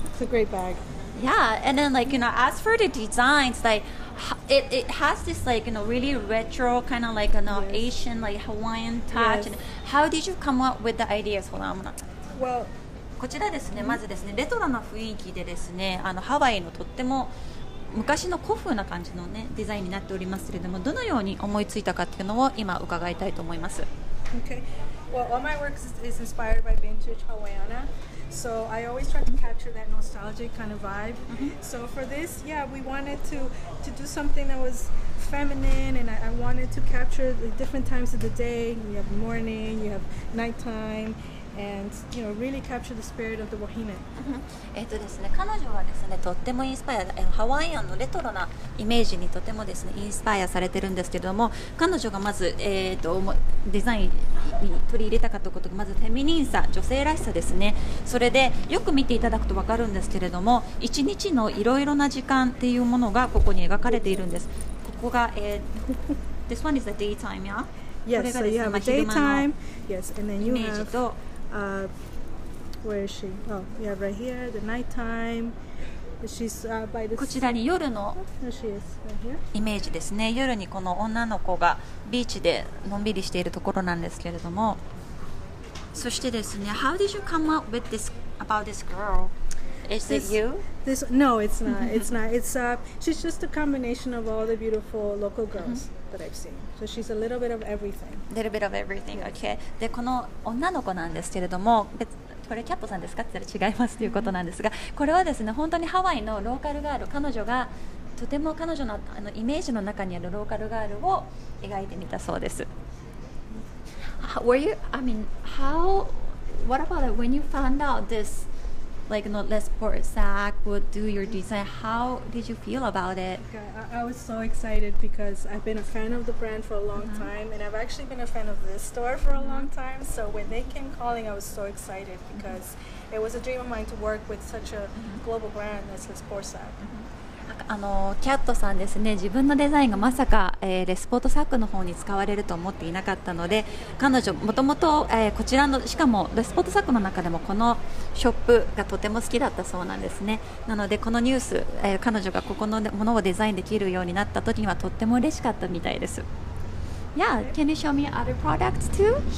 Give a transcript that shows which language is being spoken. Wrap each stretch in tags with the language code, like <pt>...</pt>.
<en>Yeah, and then like, you know, as for the designs, like, it has this like, you know, really retro kind of like, you know, yes. Asian, like Hawaiian touch. Yes. And how did you come up with the ideas? Hold on, I'm not... Well,</en> <ja>こちらですね、まずですね、レトロな雰囲気でですね、あのハワイのとっても昔の古風な感じのね、デザインになっておりますけれども、どのように思いついたかっていうのを今伺いたいと思います。</ja> <en>Okay. Well, all my work is inspired by vintage Hawaiiana. So I always try to capture that nostalgic kind of vibe. Mm-hmm. So for this, yeah, we wanted to do something that was feminine, and I wanted to capture the different times of the day. You have morning, you have nighttime, and you know, really capture the spirit of the Wahine. Mm-hmm.</en> <ja>ですね、彼女はですね、とってもインスパイア、ハワイアンのレトロなイメージにとてもですね、インスパイアされてるんですけども、彼女がまず、デザインに取り入れたかったことが、まずフェミニンさ、女性らしさですね。それでよく見ていただくと分かるんですけれども、一日のいろいろな時間っていうものがここに描かれているんです。ここが、</ja> <en>This one is the daytime, yeah? Yes,</en> <ja>これがですね、</ja> <en>so you have a daytime. Yes, and then you have where is she? Oh, yeah, right here, the nighttime. She's, by this...</en> <ja>こちらに夜のイメージですね。夜にこの女の子がビーチでのんびりしているところなんですけれども、そしてですね、</ja> <en>How did you come up with this about this girl? Is this, it you? This, no, it's not. It's not. It's, she's just a combination of all the beautiful local girls that I've seen. So she's a little bit of everything. A little bit of everything, okay.</en> <ja>で、この女の子なんですけれども、これキャットさんですかって言ったら違いますということなんですが、これはですね、本当にハワイのローカルガール、彼女がとても彼女の、あのイメージの中にあるローカルガールを描いてみたそうです。</ja> <en>Were you, I mean, how, what about it, when you found out this, like, you know, Les Port Sac would do your design, how did you feel about it? Okay, I was so excited because I've been a fan of the brand for a long time, and I've actually been a fan of this store for a long time, so when they came calling, I was so excited because it was a dream of mine to work with such a global brand as Les Port Sac.</en> <ja>あのキャットさんですね、自分のデザインがまさか、レスポートサックの方に使われると思っていなかったので、彼女もともとこちらの、しかもレスポートサックの中でもこのショップがとても好きだったそうなんですね。なのでこのニュース、彼女がここのものをデザインできるようになった時にはとっても嬉しかったみたいです。</ja> <en>Yeah, can you show me other products too?</en>